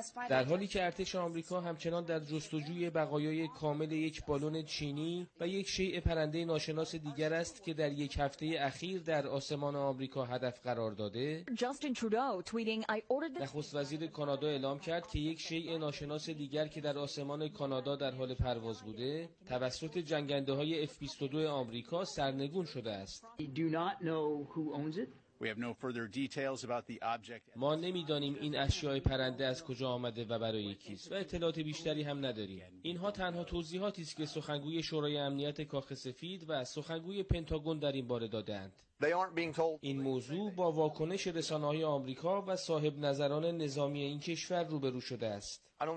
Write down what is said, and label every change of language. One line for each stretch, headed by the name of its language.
Persian: در حالی که ارتش آمریکا همچنان در جستجوی بقایای کامل یک بالون چینی و یک شیء پرنده ناشناس دیگر است که در یک هفته اخیر در آسمان آمریکا هدف قرار داده، نخست وزیر کانادا اعلام کرد که یک شیء ناشناس دیگر که در آسمان کانادا در حال پرواز بوده توسط جنگنده های F-22 آمریکا سرنگون شده است.
English: We have no further details about the object.
Persian: ما نمی‌دانیم این اشیای پرنده از کجا آمده و برای کیست و اطلاعات بیشتری هم نداریم. اینها تنها توضیحاتی است که سخنگوی شورای امنیت کاخ سفید و سخنگوی پنتاگون در این باره دادند. این موضوع با واکنش رسانه‌های آمریکا و صاحب نظران نظامی این کشور روبرو شده است.